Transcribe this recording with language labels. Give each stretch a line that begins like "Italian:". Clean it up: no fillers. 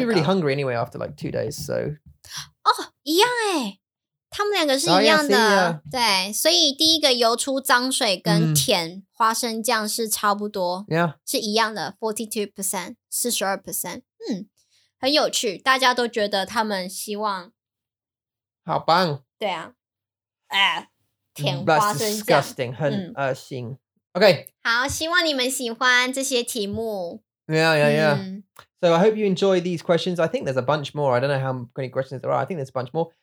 English: I'd be really hungry anyway after like 2 days, so.
Chinese: 哦，一样哎，他们两个是一样的，
English: oh, yeah, see, yeah.
Chinese: 对，所以第一个游出脏水跟舔。 Mm. 花生酱是差不多、
English: yeah.
Chinese: 是一样的 42%, 42%, 很有趣，大家都觉得他们希望好棒，对啊，甜花生酱
English: That's disgusting,
Chinese: 很恶心、
English: OK
Chinese: 好，希望你们喜欢这些题目
English: Yeah, yeah, yeah、So I hope you enjoy these questions. I think there's a bunch more. I don't know how many questions there are. I think there's a bunch more.